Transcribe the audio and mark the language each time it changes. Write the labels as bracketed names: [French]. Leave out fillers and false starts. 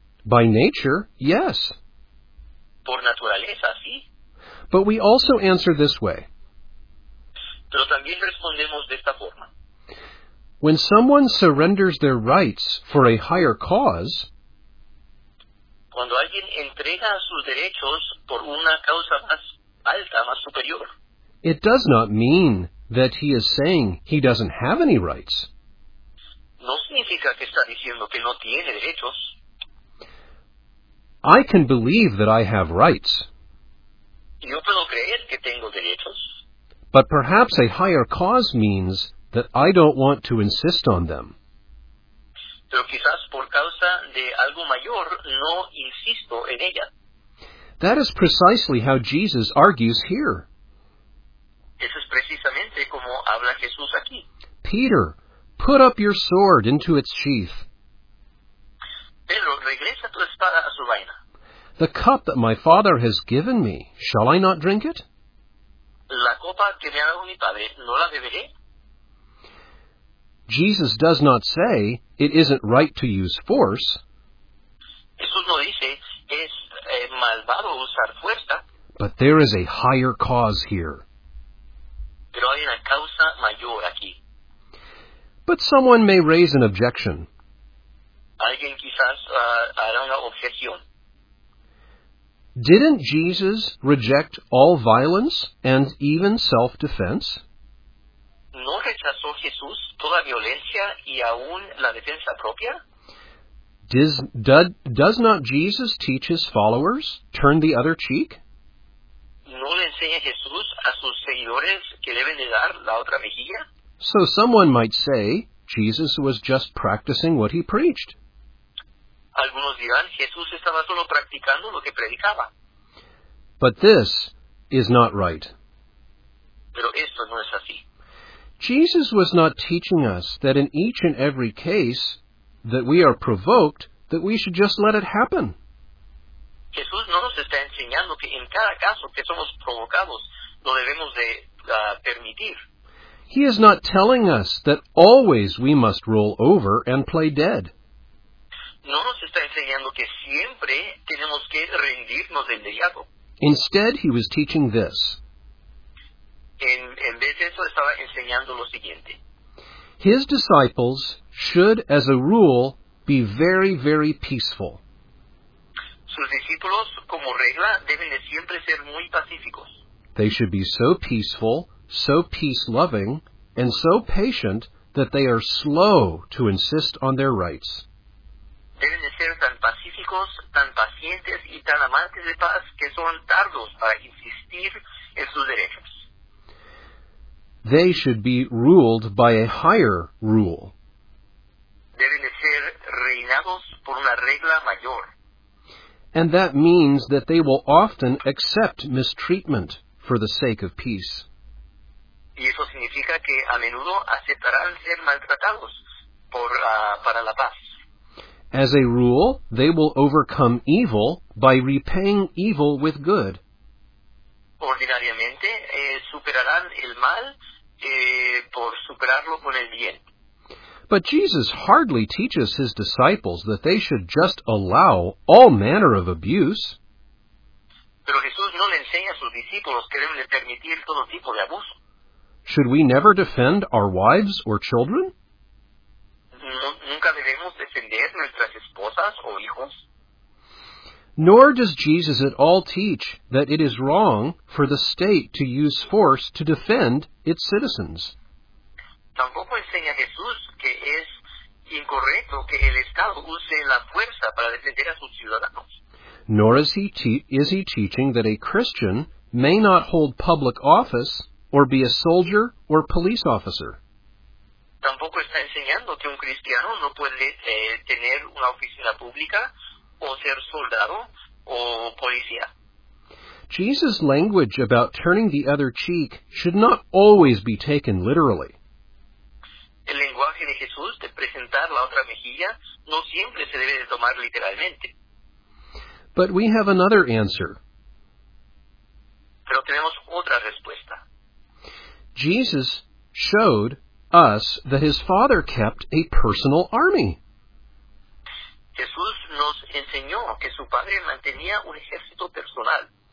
[English] By nature, yes. [Spanish] Por naturaleza, sí. [English] But we also answer this way. [Spanish] Pero también respondemos de esta forma. [English] When someone surrenders their rights for a higher cause, [Spanish] cuando alguien entrega sus derechos por una causa más alta, más superior, [English] it does not mean that he is saying he doesn't have any rights. [Spanish] No significa que está diciendo que no tiene derechos. [English] I can believe that I have rights. [Spanish] Yo puedo creer que tengo derechos. [English] But perhaps a higher cause means that I don't want to insist on them. [Spanish] pero quizás por causa de algo mayor no insisto en ella. [English] That is precisely how Jesus argues here. [Spanish] Eso es precisamente como habla Jesús aquí. [English] Peter, put up your sword into its sheath. [Spanish] Pedro, regresa tu espada a su vaina. [English] The cup that my Father has given me, shall I not drink it? [Spanish] La copa que me ha dado mi padre, ¿no la beberé? [English] Jesus does not say, it isn't right to use force. [Spanish] Jesús no dice, es malvado usar fuerza. [English] But there is a higher cause here. [Spanish] Pero hay una causa mayor aquí. [English] But someone may raise an objection. [Spanish] Alguien quizás hará una objeción. [English] Didn't Jesus reject all violence and even self-defense? [Spanish] ¿No rechazó Jesús toda violencia y aún la defensa propia? [English] Does not Jesus teach his followers turn the other cheek? [Spanish] ¿No le enseña Jesús a sus seguidores que deben de dar la otra mejilla? [English] So someone might say Jesus was just practicing what he preached. [Spanish] Algunos dirán, Jesús estaba solo practicando lo que predicaba. [English] But this is not right. [Spanish] Pero esto no es así. [English] Jesus was not teaching us that in each and every case that we are provoked, that we should just let it happen. [Spanish] Jesús no nos está enseñando que en cada caso que somos provocados, lo debemos de permitir. [English] He is not telling us that always we must roll over and play dead. [Spanish] No nos está enseñando que siempre tenemos que rendirnos de inmediato. [English] Instead, he was teaching this. [Spanish] En vez de eso, estaba enseñando lo siguiente. [English] His disciples should, as a rule, be very, very peaceful. [Spanish] Sus discípulos, como regla, deben de siempre ser muy pacíficos. [English] They should be so peaceful, so peace-loving, and so patient that they are slow to insist on their rights. [Spanish] Deben de ser tan pacíficos, tan pacientes y tan amantes de paz que son tardos para insistir en sus derechos. [English] They should be ruled by a higher rule. [Spanish] Deben de ser reinados por una regla mayor. [English] And that means that they will often accept mistreatment for the sake of peace. [Spanish] Y eso significa que a menudo aceptarán ser maltratados por, para la paz. [English] As a rule, they will overcome evil by repaying evil with good. [Spanish] Ordinariamente, superarán el mal por superarlo con el bien. [English] But Jesus hardly teaches his disciples that they should just allow all manner of abuse. [Spanish] Pero Jesús no le enseña a sus discípulos que deben de permitir todo tipo de abuso. [English] Should we never defend our wives or children? [Spanish] ¿Nunca debemos defender nuestras esposas o hijos? [English] Nor does Jesus at all teach that it is wrong for the state to use force to defend its citizens. [Spanish] Tampoco enseña Jesús que es incorrecto que el Estado use la fuerza para defender a sus ciudadanos. [English] Nor is he teaching that a Christian may not hold public office or be a soldier or police officer. [Spanish] Tampoco está enseñando que un cristiano no puede tener una oficina pública o ser soldado o policía. [English] Jesus' language about turning the other cheek should not always be taken literally. [Spanish] El lenguaje de Jesús de presentar la otra mejilla no siempre se debe de tomar literalmente. [English] But we have another answer. [Spanish] Pero tenemos otra respuesta. [English] Jesus showed us that his Father kept a personal army. [Spanish] Jesús nos enseñó que su padre mantenía un ejército personal.